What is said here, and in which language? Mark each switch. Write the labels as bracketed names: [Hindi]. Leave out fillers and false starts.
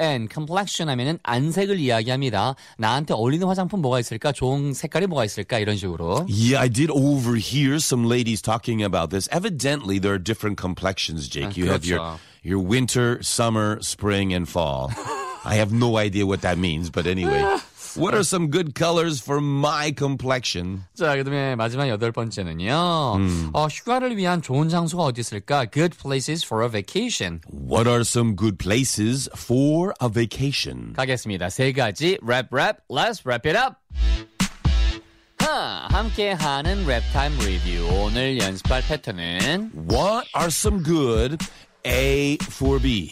[Korean] Complexion 하면은 안색을 이야기합니다. 나한테 어울리는 화장품 뭐가 있을까? 좋은 색깔이 뭐가 있을까? 이런 식으로. [English] Yeah, I did overhear some ladies talking about this. Evidently, there are different complexions, Jake. You [Korean] 그렇죠. [English] have your winter, summer, spring, and fall. I have no idea what that means, but anyway. What are some good colors for my complexion? [Korean] 자, 그 다음에 마지막 여덟 번째는요. 휴가를 위한 좋은 장소가 어디 있을까? [English] Good places for a vacation. What are some good places for a vacation? [Korean] 가겠습니다. 세 가지. [English] Wrap, wrap. Let's wrap it up. [Korean] 함께하는 랩 타임 리뷰. 오늘 연습할 패턴은 [English] What are some good... A for B.